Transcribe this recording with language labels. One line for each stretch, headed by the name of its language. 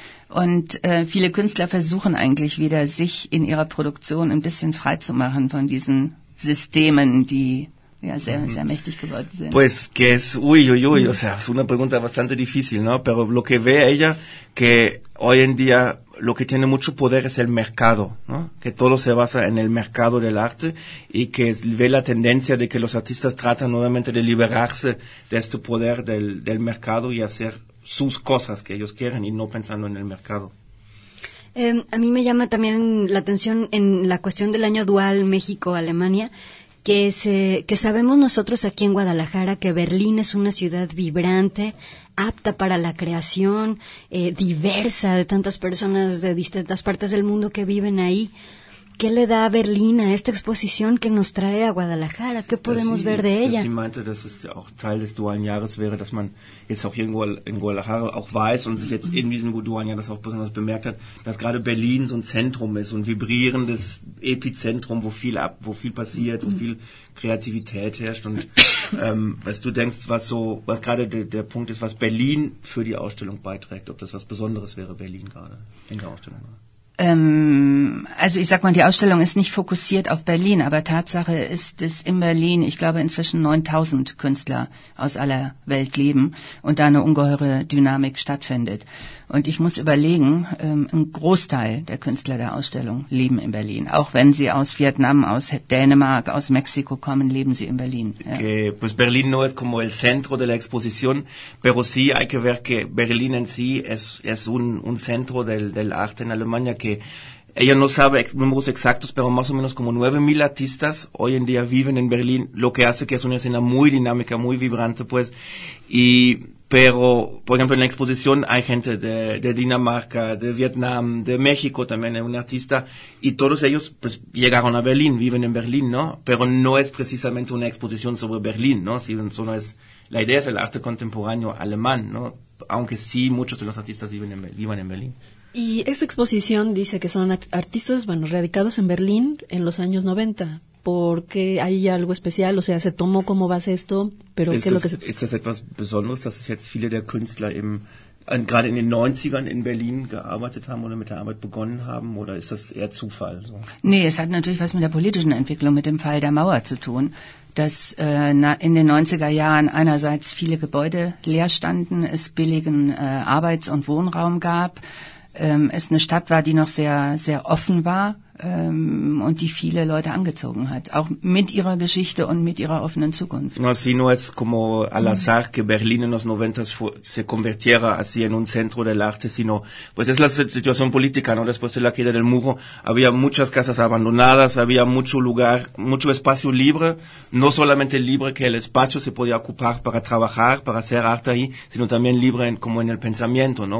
German: Und viele Künstler versuchen eigentlich wieder, sich in ihrer Produktion ein bisschen frei zu machen von diesen Systemen, die ja sehr, sehr mächtig geworden sind.
Spanish: Pues que es, o sea, es una pregunta bastante difícil, ¿no? Pero lo que ve ella, que hoy en día lo que tiene mucho poder es el mercado, ¿no? Que todo se basa en el mercado del arte y que ve la tendencia de que los artistas tratan nuevamente de liberarse de este poder del mercado y hacer sus cosas que ellos quieren y no pensando en el mercado. A mí me llama también la atención en la cuestión del año dual México-Alemania, que sabemos nosotros aquí en Guadalajara que Berlín es una ciudad vibrante, apta para la creación, diversa de tantas personas de distintas partes del mundo que viven ahí. ¿Qué le da a Berlín a esta exposición que nos trae a Guadalajara? ¿Qué podemos ver de ella? Sí, sí,
German: meinte, dass es auch Teil des dualen Jahres wäre, dass man jetzt auch hier in Guadalajara auch weiß und sich jetzt in diesem dualen Jahr das auch besonders bemerkt hat, dass gerade Berlin so ein Zentrum ist, so ein vibrierendes Epizentrum, wo viel passiert, wo viel Kreativität herrscht. Und was du denkst, was gerade der Punkt ist, was Berlin für die Ausstellung beiträgt, ob das was Besonderes wäre, Berlin gerade in der Ausstellung? Also ich sag mal, die Ausstellung ist nicht fokussiert auf Berlin, aber Tatsache ist, dass in Berlin, ich glaube, inzwischen 9000 Künstler aus aller Welt leben und da eine ungeheure Dynamik stattfindet. Und ich muss überlegen, ein Großteil der Künstler der Ausstellung leben in Berlin. Auch wenn sie aus Vietnam, aus Dänemark, aus Mexiko kommen, leben sie in Berlin. Ja.
Spanish: Que, pues Berlin no es como el centro de la exposición, pero sí hay que ver que Berlin en sí es un centro del arte en Alemania, que ella no sabe números exactos, pero más o menos como 9000 artistas hoy en día viven en Berlín, lo que hace que es una escena muy dinámica, muy vibrante, pues, y pero, por ejemplo, en la exposición hay gente de Dinamarca, de Vietnam, de México también, hay un artista, y todos ellos, pues, llegaron a Berlín, viven en Berlín, ¿no? Pero no es precisamente una exposición sobre Berlín, ¿no? Si solo es, la idea es el arte contemporáneo alemán, ¿no? Aunque sí, muchos de los artistas viven en Berlín. Y esta exposición dice que son artistas, bueno, radicados en Berlín en los años 90. ¿Por qué hay algo especial? O sea, ¿se tomó como base esto? Pero ¿qué es lo que se...?
German: ¿Es das etwas Besonderes, dass es jetzt viele der Künstler gerade in den 90ern in Berlin gearbeitet haben oder mit der Arbeit begonnen haben? Oder ist das eher Zufall? So? Nee, es hat natürlich was mit der politischen Entwicklung, mit dem Fall der Mauer zu tun. Dass in den 90er Jahren einerseits viele Gebäude leer standen, es billigen Arbeits- und Wohnraum gab, es eine Stadt war, die noch sehr, sehr offen war, Und die viele Leute angezogen hat, auch mit ihrer Geschichte und mit ihrer offenen Zukunft.
Spanish: No, si no es como al azar que Berlín en los noventas se convirtiera así en un centro del arte, sino pues es la situación política, ¿no? Después de la caída del muro había muchas casas abandonadas, había mucho lugar, mucho espacio libre, no solamente libre que el espacio se podía ocupar para trabajar, para hacer arte ahí, sino también libre en, como en el pensamiento, ¿no?